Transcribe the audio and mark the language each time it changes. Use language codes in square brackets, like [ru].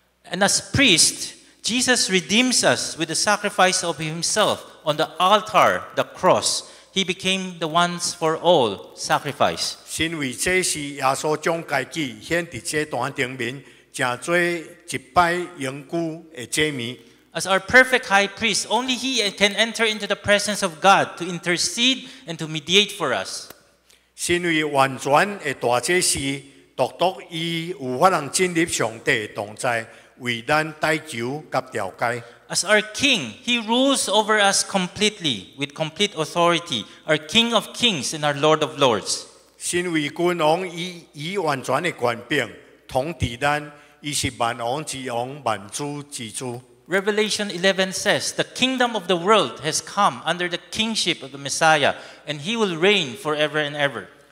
[en] And as priest, Jesus redeems us with the sacrifice of Himself on the altar, the cross. He became the once for all sacrifice. [nan] 因为这是耶稣将自己献在祭坛顶面，真多一摆永久的祭物。 [en] As our perfect high priest, only he can enter into the presence of God to intercede and to mediate for us. [nan] 因为完全的大祭司，独独伊有法能进入上帝同在，为咱代求及调解。 [en] As our king, he rules over us completely with complete authority, our king of kings and our lord of lords. [nan] 因为君王以完全的权柄统治咱，伊是万王之王，万主之主。 [en] Revelation 11 says, the kingdom of the world has come under the kingship of the Messiah, and he will reign forever and ever.